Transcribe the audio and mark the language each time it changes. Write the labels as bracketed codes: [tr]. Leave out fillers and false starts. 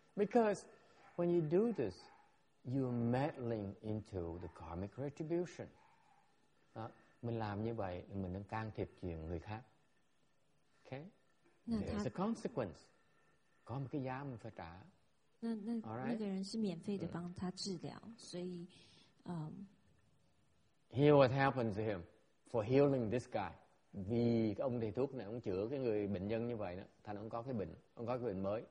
[en] Because when you do this, you're meddling into the karmic retribution. [vi] Đó. Mình làm như vậy, mình đang can thiệp chuyện người khác. Okay? [en] There's a consequence. [vi] Có một cái giá mình phải trả. [zh] 那个人是免费的帮他治疗，所以。 [en] Here what happens to him for healing this guy. [vi] Vì ông thầy thuốc này, ông chữa cái người bệnh nhân như vậy đó, thành ông có cái bệnh, ông có cái bệnh mới.